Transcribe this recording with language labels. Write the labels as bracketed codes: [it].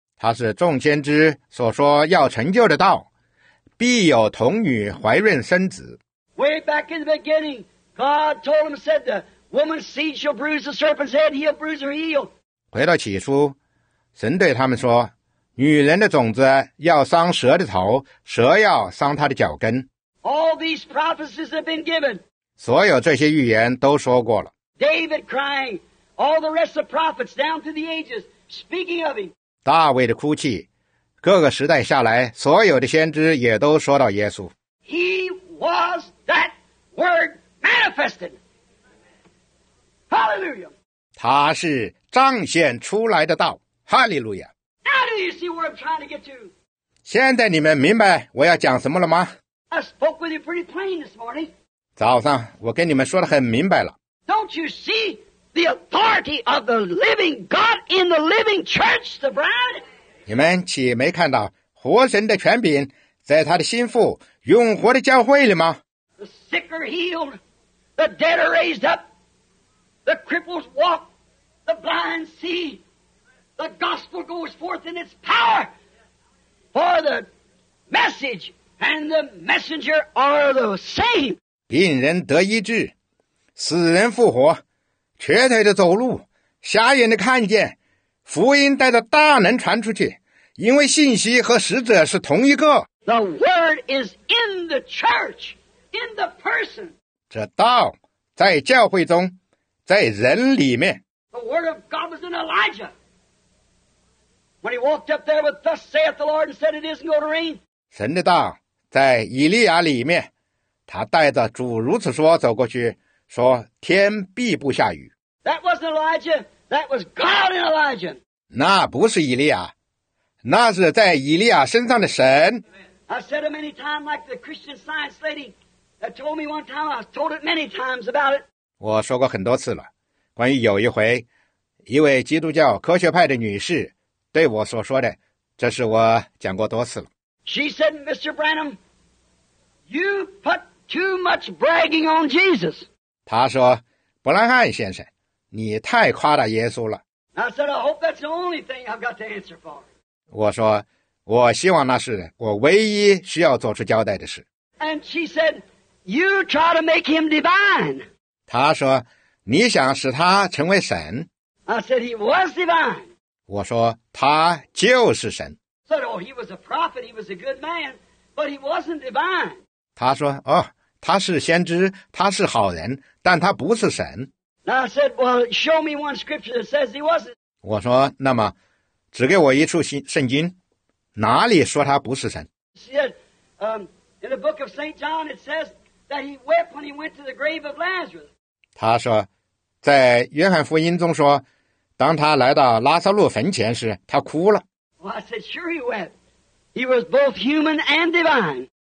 [zh] 他是众先知所说要成就的道，必有童女怀孕生子。 [en] Way back in the beginning, God told him, said, the woman's seed shall bruise the serpent's head, he'll bruise her heel. [zh] 回到起初，神对他们说，女人的种子要伤蛇的头，蛇要伤她的脚跟。 [en] All these prophecies have been given. [zh] 所有这些预言都说过了。 [en] David crying, all the rest of prophets down through the ages speaking of him. [zh] 大卫的哭泣，各个时代下来所有的先知也都说到耶稣。 [en] He was that word manifested. Hallelujah. [zh] 他是彰显出来的道。哈利路亚。 [en] Now do you see where I'm trying to get to? [zh] 现在你们明白我要讲什么了吗？ [en] I spoke with you pretty plain this morning. [zh] 早上我跟你们说得很明白了。 [en] Don't you see the authority of the living God in the living church, the bride? [zh] 你们岂没看到活神的权柄在他的心腹永活的教会里吗？ [en] The sick are healed, the dead are raised up, the cripples walk, the blind see, the gospel goes forth in its power for the message. And the messenger are the same. [zh] 病人得医治，死人复活，瘸腿的走路，瞎眼的看见，福音带着大能传出去，因为信息和使者是同一个。 [en] The word is in the church, in the person. [zh] 这道在教会中，在人里面。 [en] The word of God was in Elijah. When he walked up there with "Thus saith the Lord" and said, "It isn't going to rain." [zh] 神的道在以利亚里面，他带着主如此说走过去，说天必不下雨。 [en] That wasn't Elijah, that was God in Elijah. [zh] 那不是以利亚，那是在以利亚身上的神。 [en] I said it many times, like the Christian Science lady that told me one time. I've told it many times about it. [zh] 我说过很多次了，关于有一回，一位基督教科学派的女士对我所说的，这是我讲过多次了。 [en] She said, Mr. Branham, you put too much bragging on Jesus. [zh] 他说，伯兰汉先生，你太夸大耶稣了。 [en] I said, I hope that's the only thing I've got to answer for. [zh] 我说，我希望那是我唯一需要做出交代的事。 [en] And she said, you try to make him divine. [zh] 他说，你想使他成为神。 [en] I said, he was divine. [zh] 我说，他就是神。 [en] Said, oh, he was a prophet, he was a good man, but he wasn't divine. [zh] 他说，哦，他是先知，他是好人，但他不是神。 [en] Now I said, well, show me one scripture that says he wasn't. [zh] 我说，那么，指给我一处圣经，哪里说他不是神？ [en] She said, in the book of St. John, it says that he wept when he went to the grave of Lazarus. [zh] 他说，在约翰福音中说，当他来到拉撒路坟前时，他哭了。 [en] Well, I said, sure he wept. He was both human and divine.